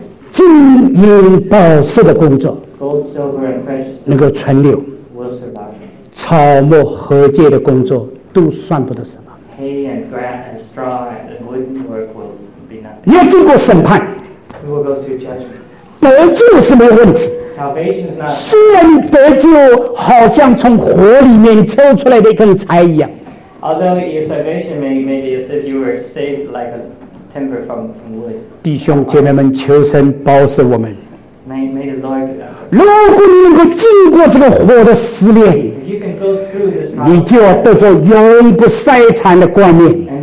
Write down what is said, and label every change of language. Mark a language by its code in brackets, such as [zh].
[zh] 金银宝石的工作能够存留，草木禾秸的工作都算不得什么。 [en] Hay and grass and straw and wooden work will be nothing. [zh] 你要经过审判。 [en] We will go through judgment. [zh] 得救是没有问题。 [en] Salvation is not. [zh] 虽然得救好像从火里面抽出来的一根柴一样。 [en] Although your salvation may be as if you were saved like a timber from wood. [zh] 弟兄姐妹们，求神保守我们。 [en] May the Lord. [zh] 如果你能够经过这个火的试炼。你就要得着永不衰残的冠冕。